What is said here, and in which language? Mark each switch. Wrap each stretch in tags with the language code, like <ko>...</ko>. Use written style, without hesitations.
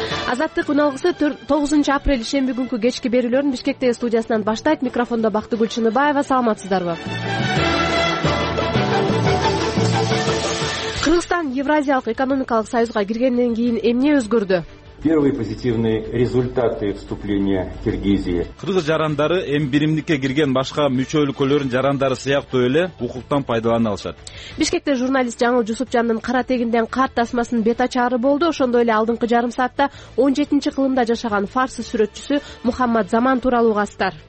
<ky>Азаттык уналгысы 9 апрель ишемби күнкү кечки берүүлөрүн Бишкектеги студиясынан баштайт. Микрофондо Бактыгүл Чыныбаева, саламатсыздарбы? Кыргызстан Евразиялык экономикалык союзга киргенден кийин эмне өзгөрдү?</ky> <ru>Первые позитивные результаты вступления Киргизии.</ru> <ky>Кыргыз жарандары М1-ке кирген башка мүчө өлкөлөрүн жарандары сыяктуу эле укуктан пайдалана алышат. Бишкекте журналист Жаңыл Жусупжандын кара тегинден карт тасмасынын бета чаары болду. Ошондой эле алдыңкы жарым саатта 17-чи кылымда жашаган фарсы сүрөтчүсү Мухаммад Заман тууралуу угастар.</ky>